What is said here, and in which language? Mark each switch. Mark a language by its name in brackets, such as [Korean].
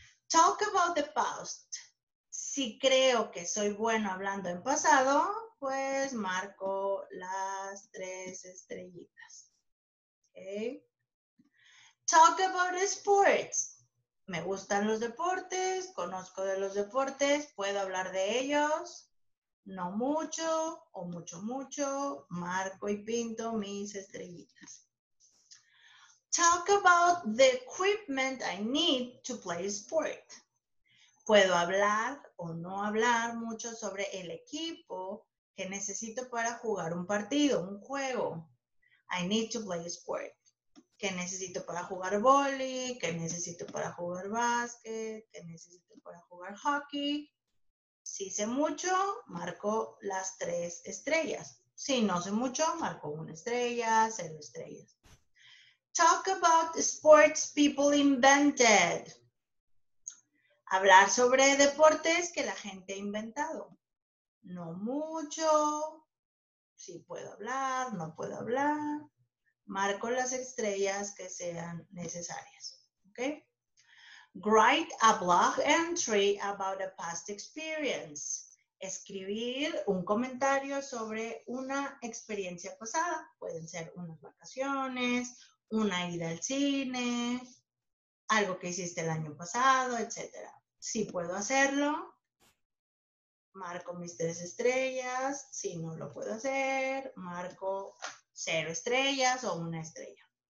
[English] Talk about the past. [Spanish] Si creo que soy bueno hablando en pasado, pues marco las tres estrellitas. Okay. [English] Talk about sports. [Spanish] Me gustan los deportes, conozco de los deportes, puedo hablar de ellos. No mucho, o mucho, mucho, marco y pinto mis estrellitas. [English] Talk about the equipment I need to play sport. [Spanish] Puedo hablar o no hablar mucho sobre el equipo que necesito para jugar un partido, un juego. [English] I need to play sport. [Spanish] ¿Qué necesito para jugar vóley? ¿Qué necesito para jugar básquet? ¿Qué necesito para jugar hockey? Si sé mucho, marco las tres estrellas. Si no sé mucho, marco una estrella, cero estrellas. [English] Talk about sports people invented. [Spanish] Hablar sobre deportes que la gente ha inventado. No mucho. Si puedo hablar, no puedo hablar. Marco las estrellas que sean necesarias. ¿Okay? [English] Write a blog entry about a past experience. [Spanish] Escribir un comentario sobre una experiencia pasada. Pueden ser unas vacaciones, una ida al cine, algo que hiciste el año pasado, etc. Si puedo hacerlo, marco mis tres estrellas. Si no lo puedo hacer, marco cero estrellas o una estrella.